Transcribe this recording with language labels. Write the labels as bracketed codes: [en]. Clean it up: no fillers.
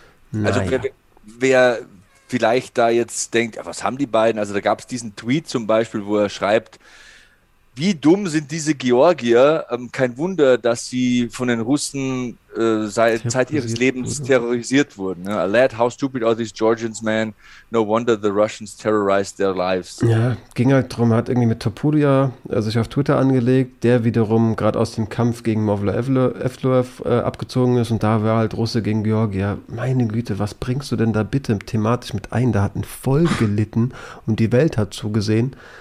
[de] naja. Also wer vielleicht da jetzt denkt, ja, was haben die beiden? Also da gab es diesen Tweet zum Beispiel, wo er schreibt, wie dumm sind diese Georgier? Kein Wunder, dass sie von den Russen seit ihres Lebens terrorisiert wurden. Ne? [en] Lad, how stupid are these Georgians, man? No wonder the Russians terrorized their lives. [de] Ja, ging halt drum, hat irgendwie mit Topuria sich auf Twitter angelegt, der wiederum gerade aus dem Kampf gegen Movlo Evloev abgezogen ist und da war halt Russe gegen Georgier. Meine Güte, was bringst du denn da bitte thematisch mit ein? Da hatten voll gelitten und die Welt hat zugesehen.